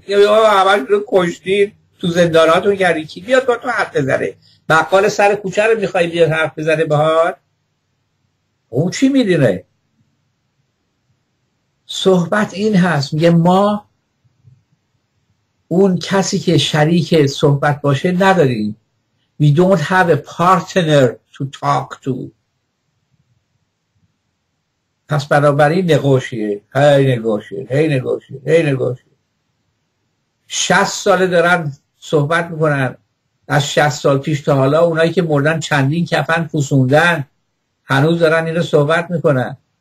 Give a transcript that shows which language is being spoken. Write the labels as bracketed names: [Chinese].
[Persian] اول رو کشتید تو زنداناتون گردی، کی بیاد با تو حرف بزنه؟ بقال سر کوچه رو میخوای بیاد حرف بزنه باهات؟ اون چی میدونه؟ صحبت این هست، میگه ما اون کسی که شریک صحبت باشه نداریم. [English] We don't have a partner to talk to. [Persian] پس بنابراین نگوشیه، هی نگوشیه. 60 ساله دارن صحبت میکنن. از 60 سال پیش تا حالا اونایی که مردن چندین کفن پوسوندن هنوز دارن اینو صحبت میکنن.